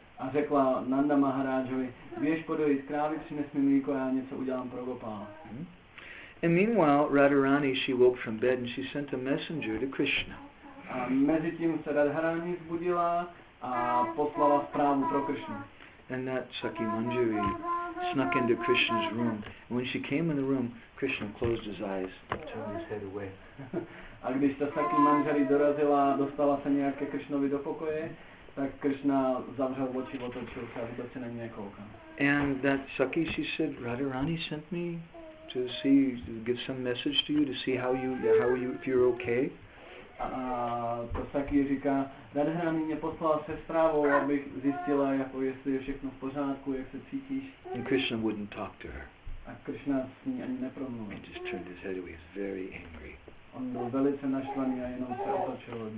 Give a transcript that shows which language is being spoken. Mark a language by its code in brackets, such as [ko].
[cs] A řekla Nanda Maharajovi, běž podojit krávy, přines mi mlíko, já něco udělám pro Gopala. [en] And meanwhile, Radharani, she woke from bed, and she sent a messenger to Krishna. [cs] A mezi tím se Radharani zbudila a poslala zprávu pro Krishna. [en] And that Sakhi Manjari snuck into Krishna's room. And when she came in the room, Krishna closed his eyes and turned his head away. [cs] A když ta Sakhi Manjari dorazila a dostala se nějak ke Krishnovi do pokoje, tak Krishna zavřel oči, otočil se a vůbec se na něj koukal. [en] And that Sakhi, she said, Radharani sent me to see, to give some message to you, to see how you, if you're okay. [cs] A to Sakhi říká, Radharani mě poslala se zprávou, abych zjistila, jako jestli je všechno v pořádku, jak se cítíš. [en] And Krishna wouldn't talk to her. [cs] A Krishna s ní ani nepromluvil. [en] He just turned his head away, he's very angry. [cs] On byl velice naštvaný a jenom se otočil.